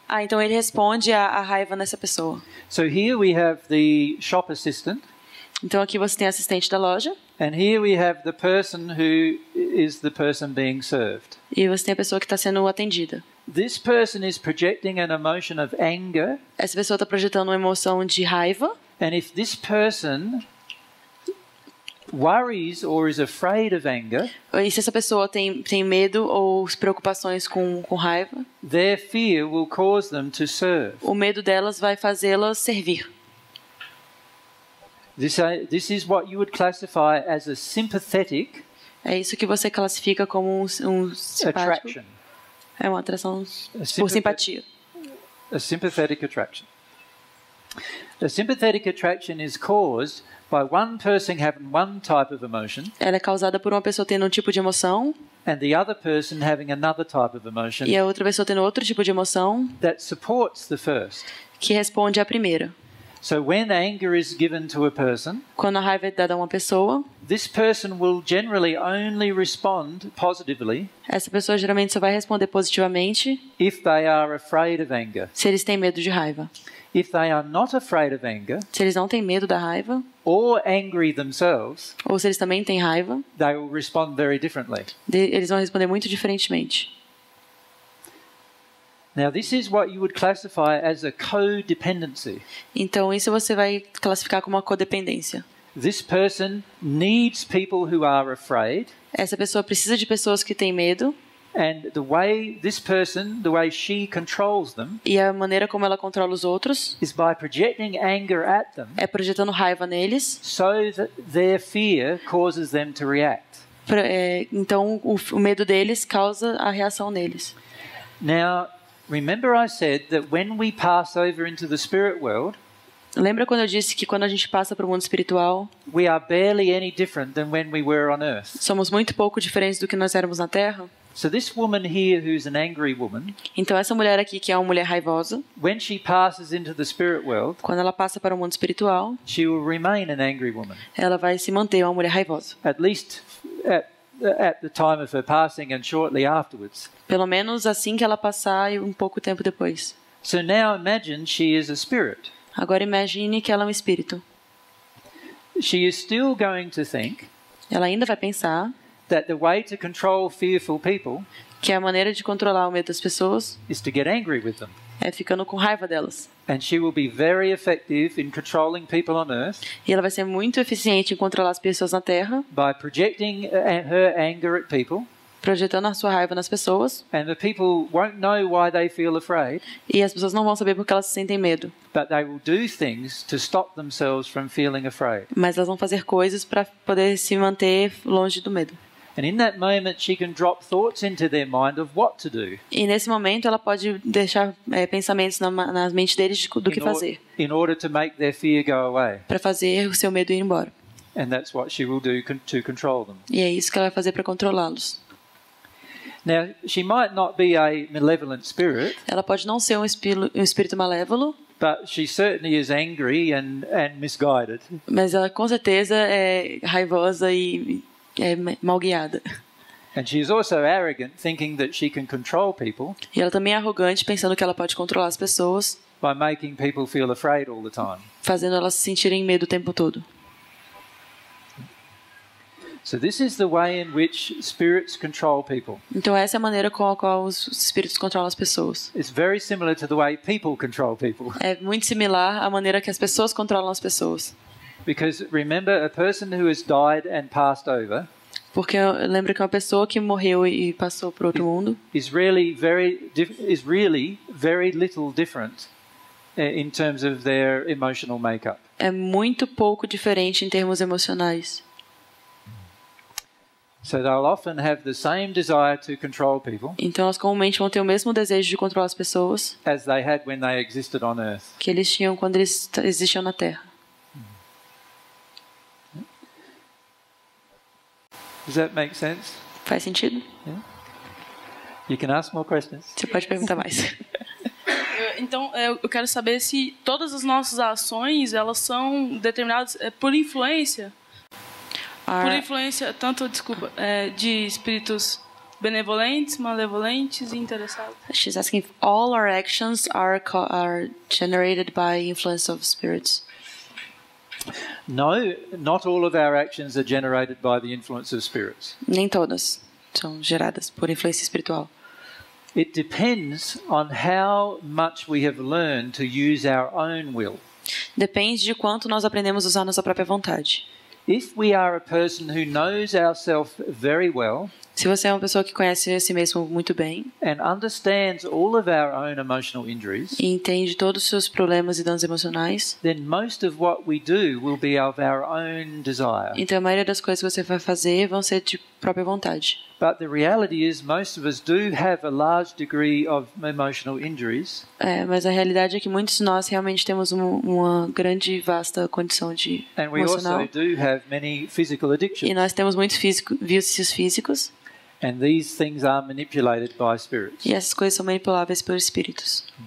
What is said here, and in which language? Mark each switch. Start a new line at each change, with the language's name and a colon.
Portuguese: Ah, então ele responde à raiva nessa pessoa.
English: So here we have the shop assistant.
Portuguese: Então aqui você tem assistente da loja.
English: And here we have the person who is the person being served.
Portuguese: E você tem a pessoa que está sendo atendida.
English: This person is projecting an emotion of anger.
Portuguese: Essa pessoa está projetando uma emoção de raiva.
English: And if this person worries or is afraid of anger,
Portuguese: e se essa pessoa tem medo ou preocupações com raiva,
English: their fear will cause them to serve.
Portuguese: O medo delas vai fazê-las servir.
English: This is what you would classify as a sympathetic.
Portuguese: É isso que você classifica como um simpático.
English: Attraction.
Portuguese: É uma atração por simpatia.
English: A sympathetic attraction. A sympathetic attraction is caused by one person having one type of emotion.
Portuguese: Ela é causada por uma pessoa tendo um tipo de emoção.
English: And the other person having another type of emotion.
Portuguese: E a outra pessoa tendo outro tipo de emoção.
English: That supports the first.
Portuguese: Que responde à primeira.
English: So when anger is given to a person,
Portuguese: quando a raiva é dada a uma pessoa,
English: this person will generally only respond positively.
Portuguese: Essa pessoa geralmente só vai responder positivamente.
English: If they are afraid of anger.
Portuguese: Se eles têm medo de raiva.
English: If they are not afraid of anger,
Portuguese: se eles não têm medo da raiva,
English: or angry themselves,
Portuguese: ou se eles também têm raiva,
English: they will respond very differently.
Portuguese: Eles vão responder muito diferentemente.
English: Now this is what you would classify as a codependency.
Portuguese: Então isso você vai classificar como uma codependência.
English: This person needs people who are afraid.
Portuguese: Essa pessoa precisa de pessoas que têm medo.
English: And the way this person, the way she controls them,
Portuguese: e a maneira como ela controla os outros,
English: is by projecting anger at them,
Portuguese: é projetando raiva neles,
English: so that their fear causes them to react.
Portuguese: Então o medo deles causa a reação neles.
English: Now, remember I said that when we pass over into the spirit world,
Portuguese: lembra quando eu disse que quando a gente passa para o mundo espiritual,
English: we are barely any different than when we were on earth.
Portuguese: Somos muito pouco diferentes do que nós éramos na Terra.
English: So this woman here who's an angry woman,
Portuguese: então essa mulher aqui que é uma mulher raivosa,
English: when she passes into the spirit world,
Portuguese: quando ela passa para o mundo espiritual,
English: she will remain an angry woman.
Portuguese: Ela vai se manter uma mulher raivosa.
English: At least at at the time of her passing and shortly afterwards.
Portuguese: Pelo menos assim que ela passar e pouco tempo depois.
English: So now imagine she is a spirit.
Portuguese: Agora imagine que ela é espírito.
English: She is still going to think.
Portuguese: Ela ainda vai pensar.
English: That the way to control fearful people.
Portuguese: Que a maneira de controlar o medo das pessoas.
English: Is to get angry with them.
Portuguese: É ficando com raiva delas.
English: And she will be very effective in controlling people on earth.
Portuguese: E ela vai ser muito eficiente em controlar as pessoas na Terra.
English: By projecting her anger at people.
Portuguese: Projetando a sua raiva nas pessoas.
English: And the people won't know why they feel afraid.
Portuguese: E as pessoas não vão saber porque elas se sentem medo.
English: But they will do things to stop themselves from feeling afraid.
Portuguese: Mas elas vão fazer coisas para poder se manter longe do medo.
English: And in that moment she can drop thoughts into their mind of what to do.
Portuguese: E nesse momento ela pode deixar pensamentos na mente deles do que fazer.
English: In order to make their fear go away.
Portuguese: Para fazer o seu medo ir embora.
English: And that's what she will do to control them.
Portuguese: E é isso que ela vai fazer para controlá-los.
English: Now, she might not be a malevolent spirit.
Portuguese: Ela pode não ser um espírito malévolo.
English: But she certainly is angry and misguided.
Portuguese: Mas ela com certeza é raivosa e mal guiada.
English: And she is also arrogant, thinking that she can control people.
Portuguese: E ela também é arrogante, pensando que ela pode controlar as pessoas.
English: By making people feel afraid all the time.
Portuguese: Fazendo elas se sentirem medo o tempo todo.
English: So this is the way in which spirits control people.
Portuguese: Então essa é a maneira com a qual os espíritos controlam as pessoas.
English: It's very similar to the way people control people.
Portuguese: É muito similar à maneira que as pessoas controlam as pessoas.
English: Because remember, a person who has died and passed over.
Portuguese: Porque lembra que uma pessoa que morreu e passou para outro mundo.
English: Is really very little different in terms of their emotional makeup.
Portuguese: É muito pouco diferente em termos emocionais.
English: So they'll often have the same desire to control people.
Portuguese: Então elas comumente vão ter o mesmo desejo de controlar as pessoas.
English: As they had when they existed on earth.
Portuguese: Que eles tinham quando eles existiam na Terra.
English: Does that make sense?
Portuguese: Faz sentido?
English: Yeah. You can ask more questions.
Portuguese: Você pode perguntar mais. Então, eu quero saber se todas as nossas ações, elas são determinadas por influência? Por influência, de espíritos benevolentes, malevolentes e interessados.
English: She's asking if all our actions are generated by influence of spirits. No, not all of our actions are generated by the influence of spirits.
Portuguese: Nem todas são geradas por influência espiritual.
English: It depends on how much we have learned to use our own will.
Portuguese: Depende de quanto nós aprendemos a usar nossa própria vontade.
English: If we are a person who knows ourselves very well,
Portuguese: se você é uma pessoa que conhece a si mesmo muito bem,
English: and understands all of our own emotional injuries,
Portuguese: e entende todos os seus problemas e danos emocionais,
English: then most of what we do will be of our own desire.
Portuguese: Então a maioria das coisas que você vai fazer vão ser de própria vontade.
English: But the reality is most of us do have a large degree of emotional injuries.
Portuguese: Mas a realidade é que muitos de nós realmente temos uma grande e vasta condição de
English: and we
Portuguese: emocional.
English: Also do have many physical addictions.
Portuguese: E nós temos muitos vícios físicos.
English: And these things are manipulated by spirits.
Portuguese: E essas coisas são manipuláveis por espíritos.